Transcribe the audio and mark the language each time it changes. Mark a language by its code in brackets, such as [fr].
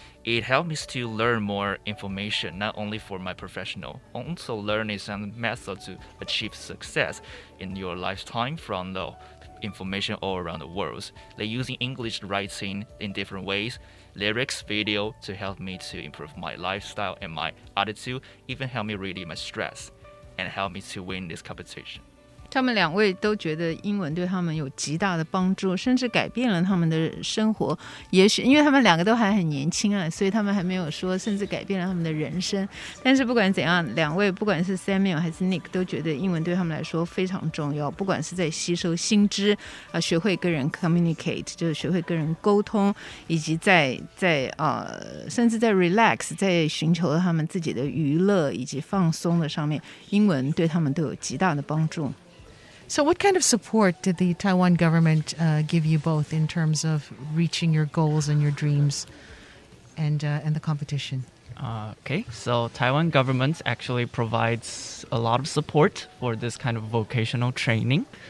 [en] it helped me to learn more information, not only for my professional, also learning some methods to achieve success in your lifetime from the information all around the world. They're using English writing in different ways, lyrics, video to help me to improve my lifestyle and my attitude, even help me relieve my stress and help me to win this competition. [zh] 他们两位都觉得英文对他们有极大的帮助，甚至改变了他们的生活。也许因为他们两个都还很年轻啊，所以他们还没有说甚至改变了他们的人生。但是不管怎样，两位不管是 Samuel 还是 Nick 都觉得英文对他们来说非常重要，不管是在吸收新知啊，学会跟人 communicate 就是学会跟人沟通，以及甚至在 relax 在寻求他们自己的娱乐以及放松的上面，英文对他们都有极大的帮助。 [en] So what kind of support did the Taiwan government give you both in terms of reaching your goals and your dreams and the competition? Okay, so Taiwan government actually provides a lot of support for this kind of vocational training.